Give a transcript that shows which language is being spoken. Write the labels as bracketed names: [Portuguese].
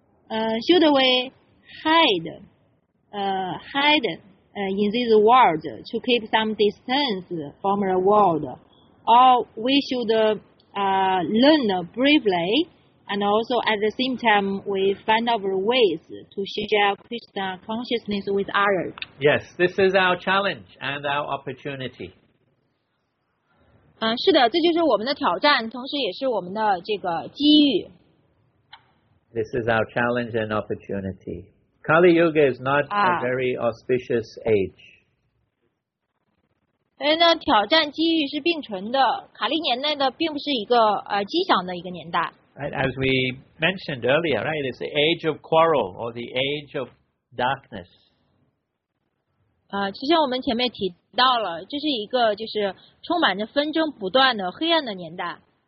[English] Should we hide in this world to keep some distance from the world, or we should learn briefly, and also at the same time we find our ways to share Krishna consciousness with others? Yes, this is our challenge and our opportunity. [Chinese] 是的，这就是我们的挑战，同时也是我们的这个机遇。 [English] This is our challenge and opportunity. Kali Yuga is not a very auspicious age. [Chinese] 因为呢，挑战机遇是并存的。卡利年代呢，并不是一个吉祥的一个年代。 [English] Right, as we mentioned earlier, right, it's the age of quarrel or the age of darkness. [Chinese] 其实我们前面提到了，这是一个就是充满着纷争不断的黑暗的年代。